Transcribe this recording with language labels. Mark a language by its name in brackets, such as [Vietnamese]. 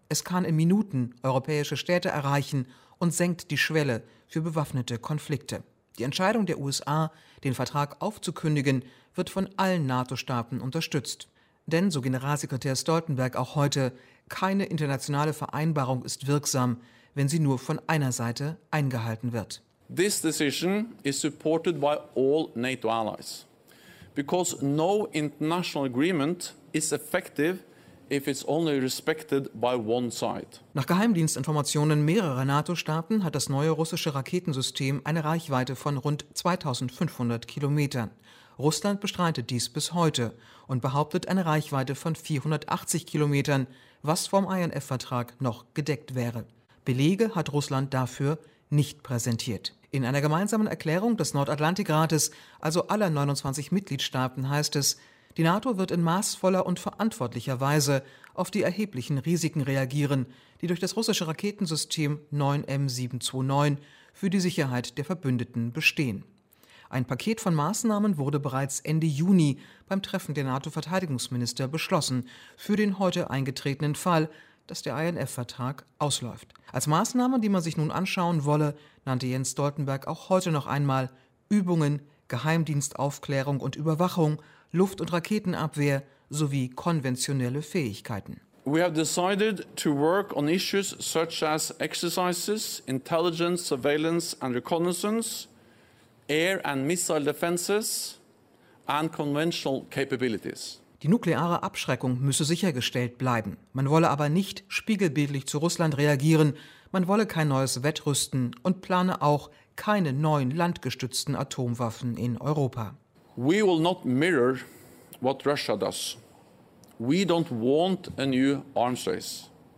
[German] Es kann in Minuten europäische Städte erreichen und senkt die Schwelle für bewaffnete Konflikte. Die Entscheidung der USA, den Vertrag aufzukündigen, wird von allen NATO-Staaten unterstützt. Denn, so Generalsekretär Stoltenberg auch heute, keine internationale Vereinbarung ist wirksam, wenn sie nur von einer Seite eingehalten wird. [English] This decision is supported by all NATO allies, because no international agreement is effective if it's only respected by one side. [German] Nach Geheimdienstinformationen mehrerer NATO-Staaten hat das neue russische Raketensystem eine Reichweite von rund 2500 Kilometern. Russland bestreitet dies bis heute und behauptet eine Reichweite von 480 Kilometern, was vom INF-Vertrag noch gedeckt wäre. Belege hat Russland dafür nicht präsentiert. In einer gemeinsamen Erklärung des Nordatlantikrates, also aller 29 Mitgliedstaaten, heißt es, die NATO wird in maßvoller und verantwortlicher Weise auf die erheblichen Risiken reagieren, die durch das russische Raketensystem 9M729 für die Sicherheit der Verbündeten bestehen. Ein Paket von Maßnahmen wurde bereits Ende Juni beim Treffen der NATO-Verteidigungsminister beschlossen für den heute eingetretenen Fall, dass der INF-Vertrag ausläuft. Als Maßnahmen, die man sich nun anschauen wolle, nannte Jens Stoltenberg auch heute noch einmal Übungen, Geheimdienstaufklärung und Überwachung, Luft- und Raketenabwehr sowie konventionelle Fähigkeiten. [English] We have decided to work on issues such as exercises, intelligence, surveillance and reconnaissance, air and missile defenses and conventional capabilities. [German] Die nukleare Abschreckung müsse sichergestellt bleiben. Man wolle aber nicht spiegelbildlich zu Russland reagieren. Man wolle kein neues Wettrüsten und plane auch keine neuen landgestützten Atomwaffen in Europa. [English] We will not mirror what Russia does. We don't want a new arms race.